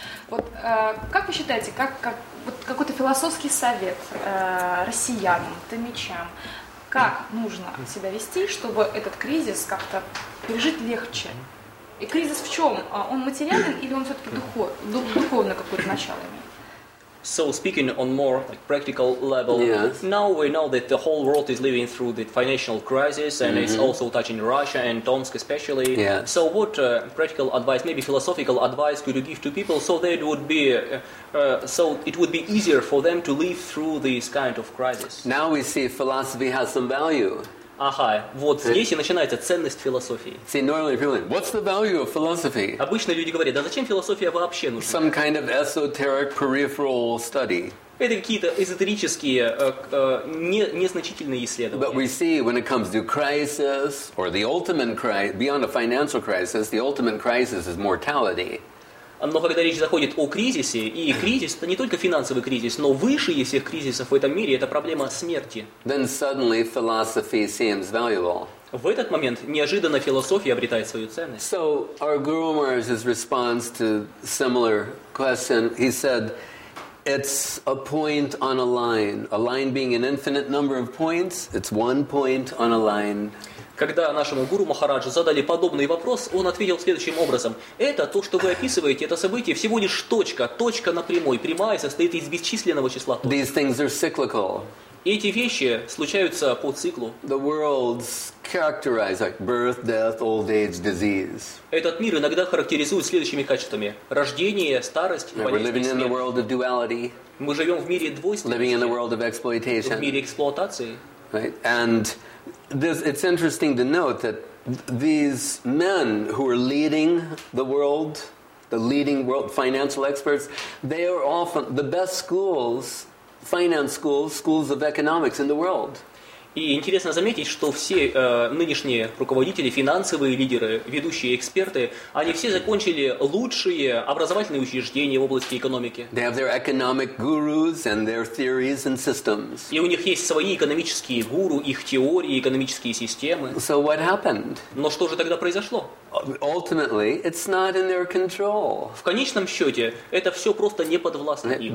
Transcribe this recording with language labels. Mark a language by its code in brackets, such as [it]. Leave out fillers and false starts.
[ru] Вот как вы считаете, как вот какой-то философский совет россиянам, томичам, как нужно себя вести, чтобы этот кризис как-то пережить легче? И кризис в чем? Он материален или он все-таки духовное какое-то начало имеет? [en] So speaking on more like practical level, yes. Now we know that the whole world is living through the financial crisis, and mm-hmm. it's also touching Russia and Tomsk especially. Yes. So what practical advice, maybe philosophical advice, could you give to people so that would be so it would be easier for them to live through this kind of crisis? Now we see philosophy has some value. [ru] Ага, вот здесь и начинается ценность философии. [en] See, normally people, what's the value of philosophy? [ru] Обычно люди говорят, да зачем философия вообще нужна? [en] Some kind of esoteric peripheral study. [ru] Это какие-то эзотерические, незначительные исследования. [en] But we see when it comes to crisis, or the ultimate crisis, beyond a financial crisis, the ultimate crisis is mortality. [ru] Но когда речь заходит о кризисе, и кризис, это не только финансовый кризис, но выше из всех кризисов в этом мире, это проблема смерти. [en] Then suddenly philosophy seems valuable. [ru] В этот момент неожиданно философия обретает свою ценность. [en] So our Guru Maharaj's response to similar question, he said, it's a point on a line being an infinite number of points, it's one point on a line. [ru] Когда нашему гуру Махараджу задали подобный вопрос, он ответил следующим образом. Это то, что вы описываете, это событие всего лишь точка, точка на прямой. Прямая состоит из бесчисленного числа точек. [en] These things are cyclical. [ru] Эти вещи случаются по циклу. [en] The world's characterized like birth, death, old age, disease. [ru] Этот мир иногда характеризует следующими качествами. Рождение, старость, болезнь и смерть. [en] We're living in the world of duality. [ru] Мы живем в мире двойственности. [en] Living in the world of exploitation. [ru] В мире эксплуатации. [en] Right? And this, it's interesting to note that these men who are leading the leading world financial experts, they are often the best schools, finance schools, schools of economics in the world. [ru] И интересно заметить, что все нынешние руководители, финансовые лидеры, ведущие эксперты, они все закончили лучшие образовательные учреждения в области экономики. [en] They have their economic gurus and their theories and systems. [ru] И у них есть свои экономические гуру, их теории, экономические системы. [en] So what happened? [ru] Но что же тогда произошло? [en] Ultimately, it's not in their control. [ru] В конечном счете, это все просто не подвластно им.